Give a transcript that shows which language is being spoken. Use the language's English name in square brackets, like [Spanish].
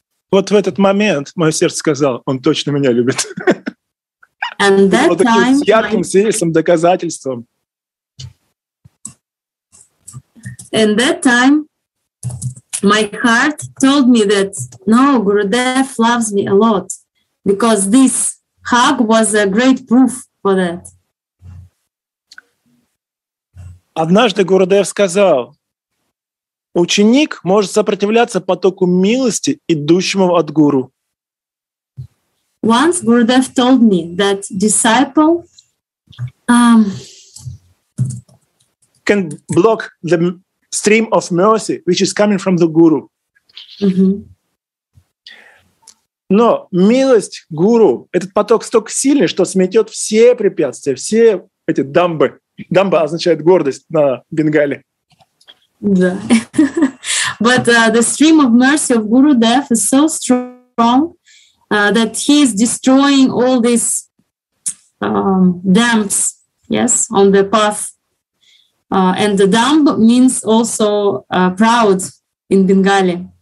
[Russian] Вот в этот момент мое сердце сказало, он точно меня любит. [English] And that [Russian] вот таким [English] time, [Russian] ярким свидетельством, доказательством. [English] And that time, my heart told me that no, Gurudev loves me a lot, because this hug was a great proof for that. [Russian] Однажды Гурудев сказал: ученик может сопротивляться потоку милости, идущему от гуру. [English] Once Gurudev told me that disciple can block the stream of mercy, which is coming from the guru. Mm-hmm. [Russian] Но милость гуру, этот поток столько сильный, что сметет все препятствия, все эти дамбы. Дамба означает гордость на бенгали. Да. Yeah. [English] But the stream of mercy of Guru Dev is so strong that he is destroying all these dams, yes, on the path. And the dumb means also proud in Bengali.